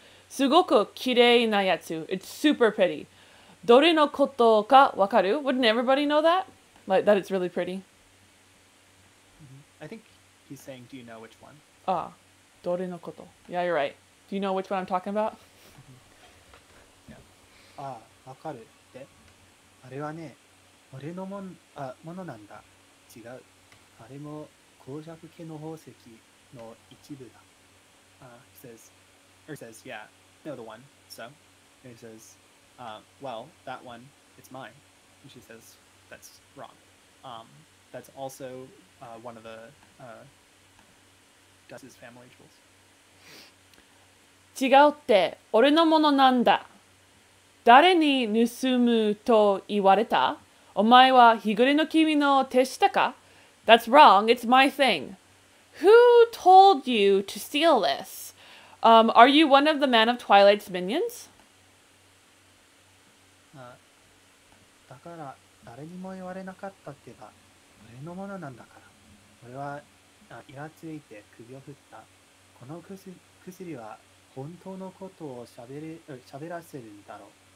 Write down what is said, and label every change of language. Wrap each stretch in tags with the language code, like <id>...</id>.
<ja>Sugoku kirei na yatsu.</ja> <en>It's super pretty.</en> <ja>Dore no koto ka wakaru?</ja> <en>Wouldn't everybody know that? Like, that it's really pretty? I think he's saying, do you know which one? Ah,</en> <ja>dore no koto.</ja> <en>Yeah, you're right. Do you know which one I'm talking about?</en> <ja>Ah, わかるって。あれはね、俺のもん、あ、ものなんだ。違う。あれも光沢系の宝石の一部だ。</ja> <en>He says, or says, yeah, know the one. So, he says, well, that one, it's mine. And she says, that's wrong. That's also one of the Gus's family jewels.</en> <ja>違うって、俺のものなんだ。誰に盗むと言われた？お前は日暮れの君の手下か？</ja> <en>That's wrong. It's my thing. Who told you to steal this? Are you one of the Man of Twilight's minions?</en> <ja>だから誰にも言われなかったってば、俺のものなんだから。俺はイラついて首を振った。この薬は本当のことを喋らせるんだろう。</ja>